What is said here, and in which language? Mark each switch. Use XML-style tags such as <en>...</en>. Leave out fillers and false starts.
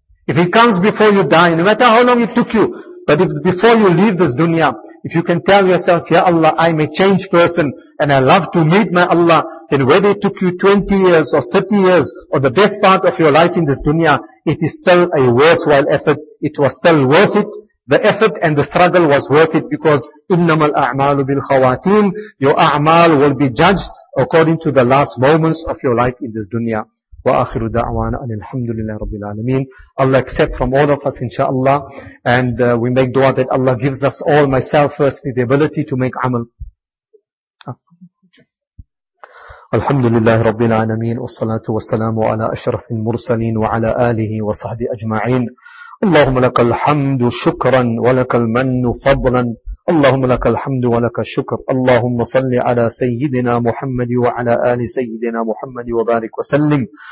<en>If it comes before you die, no matter how long it took you, but if before you leave this dunya, if you can tell yourself, Ya Allah, I'm a changed person and I love to meet my Allah, then whether it took you 20 years or 30 years or the best part of your life in this dunya, it is still a worthwhile effort. It was still worth it. The effort and the struggle was worth it, because</en> <ar>إِنَّمَا الْأَعْمَالُ بِالْخَوَاتِيمُ.</ar> <en>Your a'mal will be judged according to the last moments of your life in this dunya.</en> <ar>وآخر دعوانا أن الحمد لله رب العالمين.</ar> <en>Allah accept from all of us, inshaAllah. And we make dua that Allah gives us all, myself firstly, the ability to make amal.</en> <ar>الحمد لله رب العالمين والصلاة والسلام على أشرف المرسلين وعلى آله وصحبه أجمعين. اللهم لك الحمد شكرا ولك المن فضلا. اللهم لك الحمد ولك الشكر. اللهم صل على سيدنا محمد وعلى آل سيدنا محمد وبارك وسلم.</ar>